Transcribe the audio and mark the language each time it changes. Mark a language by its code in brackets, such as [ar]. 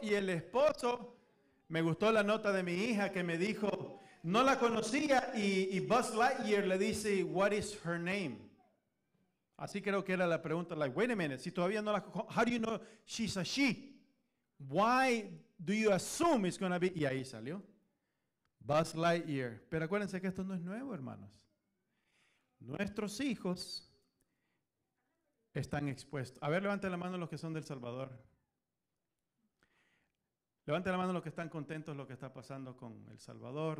[es] Y el esposo, me gustó la nota de mi hija que me dijo, no la conocía. Y Buzz Lightyear le dice, [en] what is her name? [es] Así creo que era la pregunta. [en] Like, wait a minute, [es] si todavía no la conoces, [en] how do you know she's a she? Why do you assume it's going to be? [es] Y ahí salió Buzz Lightyear. Pero acuérdense que esto no es nuevo, hermanos. Nuestros hijos están expuestos. A ver, levanten la mano los que son del Salvador. Levanten la mano los que están contentos con lo que está pasando con El Salvador.